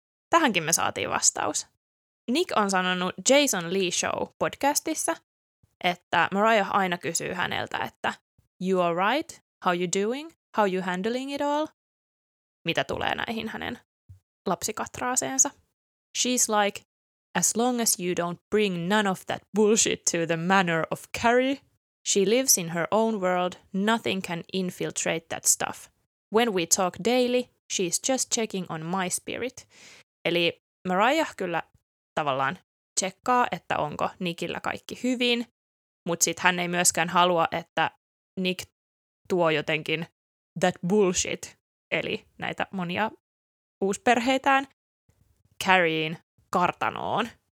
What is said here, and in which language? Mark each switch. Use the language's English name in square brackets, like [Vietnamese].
[Finnish] Tähänkin me saatiin vastaus. Nick on sanonut Jason Lee Show podcastissa, että Mariah aina kysyy häneltä, että [English] you are right? How you doing? How you handling it all? [Finnish] Mitä tulee näihin hänen lapsikatraaseensa? [English] She's like, as long as you don't bring none of that bullshit to the manor of Carrie, she lives in her own world, nothing can infiltrate that stuff. When we talk daily, she's just checking on my spirit. [Finnish] Eli Mariah kyllä tavallaan tsekkaa, että onko Nickillä kaikki hyvin, mutta sitten hän ei myöskään halua, että Nick tuo jotenkin [English] that bullshit, [Finnish] eli näitä monia uusperheitään, Carrieen kartanoon.